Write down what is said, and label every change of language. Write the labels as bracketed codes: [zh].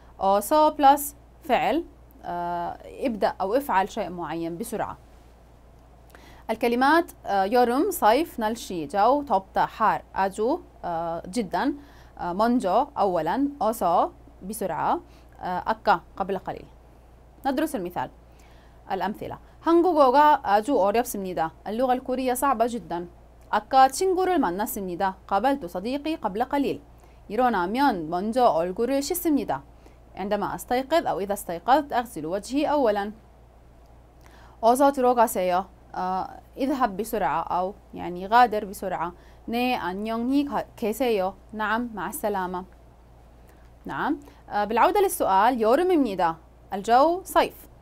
[ar] أوسو بلس فعل ابدأ أو افعل شيء معين بسرعة. الكلمات يورم صيف، نالشي جو، توبتا حار، أجو جدا، مونجو أولا، أوسو بسرعة، أكا قبل قليل. ندرس المثال الأمثلة. [ko] 한국어가 아주 어렵습니다. [ar] اللغة الكورية صعبة جدا. [ko] 아까 친구를 만났습니다. [ar] قابلت صديقي قبل قليل. [ko] 일어나면 먼저 얼굴을 씻습니다. [ar] عندما أستيقظ أو إذا استيقظت أغسل وجهي أولا. [ko] 어서 들어가세요. [ar] اذهب بسرعة أو يعني غادر بسرعة. [ko] 네 안녕히 계세요. [ar] نعم مع السلامة. نعم. بالعودة للسؤال. [ko] 여름입니다. [ar] الجو صيف.